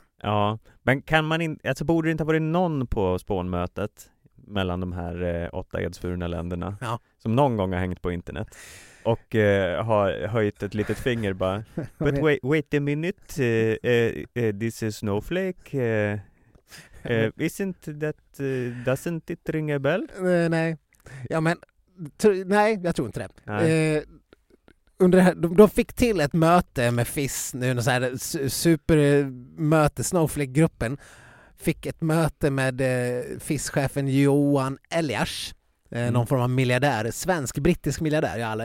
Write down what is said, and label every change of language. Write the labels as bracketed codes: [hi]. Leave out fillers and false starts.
[sv] Ja, men borde det inte ha varit någon på spånmötet mellan de här 8 edsvurna länderna som någon gång har hängt på internet och har höjt ett litet finger bara, [en] but wait a minute, this is Snowflake. Isn't that, doesn't it ring a bell? [sv] Nej. Ja, men, nej, jag tror inte det. Under det här, de fick till ett möte med FIS nu, så här supermöte, Snowflake-gruppen fick ett möte med FIS-chefen Johan Eliasch, någon form av miljardär, svensk-brittisk miljardär.